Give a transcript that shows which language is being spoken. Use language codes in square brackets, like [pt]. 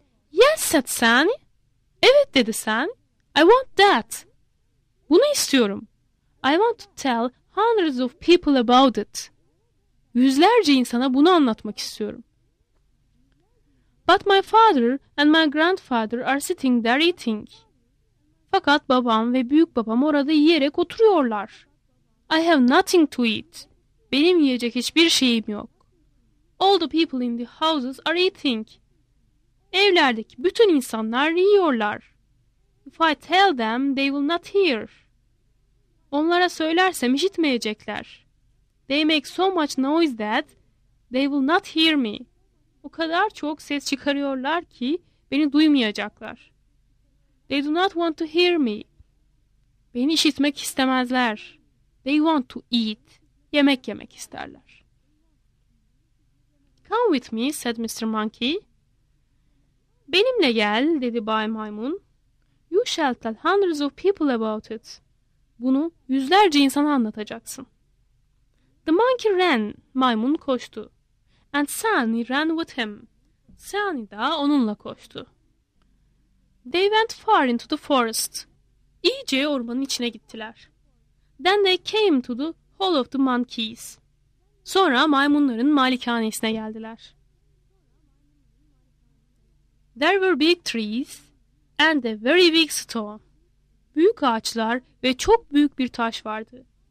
[en] Yes, said Sani. [tr] Evet, dedi Sani. [en] I want that. [tr] Bunu istiyorum. [en] I want to tell hundreds of people about it. [tr] Yüzlerce insana bunu anlatmak istiyorum. [en] But my father and my grandfather are sitting there eating. [tr] Fakat babam ve büyük babam orada yiyerek oturuyorlar. [en] I have nothing to eat. [tr] Benim yiyecek hiçbir şeyim yok. [en] All the people in the houses are eating. [tr] Evlerdeki bütün insanlar yiyorlar. [en] If I tell them, they will not hear. [tr] Onlara söylersem işitmeyecekler. [en] They make so much noise that they will not hear me. [tr] O kadar çok ses çıkarıyorlar ki beni duymayacaklar. [en] They do not want to hear me. [tr] Beni işitmek istemezler. [en] They want to eat. [tr] Yemek yemek isterler. [en] Come with me, said Mr. Monkey. [tr] Benimle gel, dedi Bay Maymun. [en] You shall tell hundreds of people about it. [tr] Bunu yüzlerce insana anlatacaksın. [en] The monkey ran. [tr] Maymun koştu. [en] And Sani ran with him. [tr] Sani da onunla koştu. [en] They went far into the forest. [tr] İyice ormanın içine gittiler. [en] Then they came to the hall of the monkeys. [tr] Sonra maymunların malikanesine geldiler. [en] There were big trees and a very big stone. [tr] Büyük ağaçlar ve çok büyük bir taş vardı.